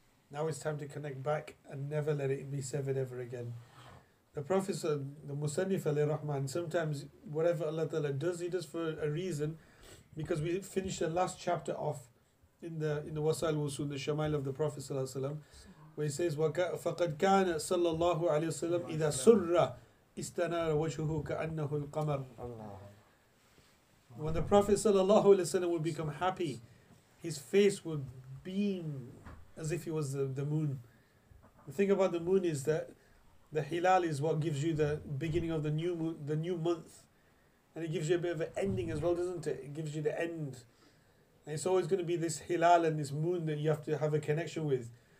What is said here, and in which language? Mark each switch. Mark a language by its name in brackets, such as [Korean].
[English] Now it's time to connect back and never let it be severed ever again. The Prophet, the Musannif alayhi rahman, sometimes whatever Allah Ta'ala does, he does for a reason, because we finished the last chapter off in the Wasail Wusul, the Shamail of the Prophet sallallahu alaihi wasallam. Where he says, [Arabic] فَقَدْ كَانَ صَلَّى اللَّهُ عَلَيْهِ وَسَلَّمْ إِذَا سُرَّ إِسْتَنَارَ وَجْهُهُ كَأَنَّهُ الْقَمَرُ. [English] When the Prophet sallallahu alayhi wa sallam would become happy, his face would beam as if he was the moon. The thing about the moon is that the hilal is what gives you the beginning of the new moon, the new month. And it gives you a bit of an ending as well, doesn't it? It gives you the end. And it's always going to be this hilal and this moon that you have to have a connection with.